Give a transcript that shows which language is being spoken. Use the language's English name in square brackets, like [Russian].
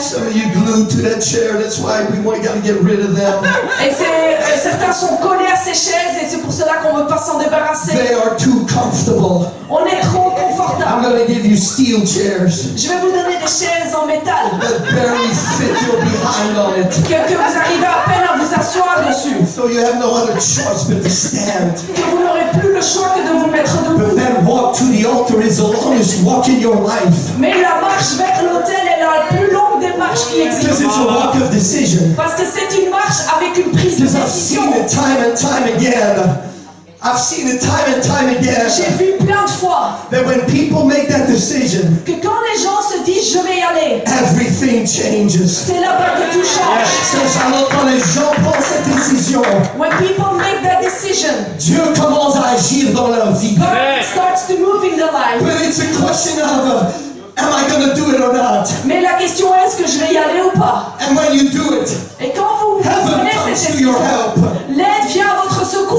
[English] Some of you glued to that chair. That's why we want to get rid of them. [French] Et certains sont collés à ces chaises et c'est pour cela qu'on veut pas s'en débarrasser. [English] They are too comfortable. [French] On est trop confortable. [English] I'm going to give you steel chairs. [French] Je vais vous donner des chaises en métal. [English] That barely fit your behind on it. [French] Que vous arrivez à peine à vous asseoir dessus. [English] So you have no other choice but to stand. [French] Que vous n'aurez plus le choix que de vous mettre debout. [English] But then walk to the altar is the longest walk in your life. [French] Mais la marche vers l'autel est la plus longue des marches qui existent. [English] Because it's a walk of decision. [French] Parce que c'est une marche avec une prise de décision. [English] Because I've seen it time and time again. I've seen it time and time again. [French] J'ai vu plein de fois. [English] That when people make that decision, [French] que quand les gens se disent je vais y aller, [English] everything changes. [French] C'est là-bas que tout change. [English] Yeah. [French] Alors quand les gens prennent cette décision, [English] when people make that decision, [French] Dieu commence à agir dans leur vie. [English] God starts to move in their life. But it's a question of am I going to do it or not? [French] Mais la question est-ce que je vais y aller ou pas? [English] And when you do it, [French] et quand vous [English] heaven [French] prenez [English] comes [French] cette [English] to your help. [French] L'aide vient à votre secours.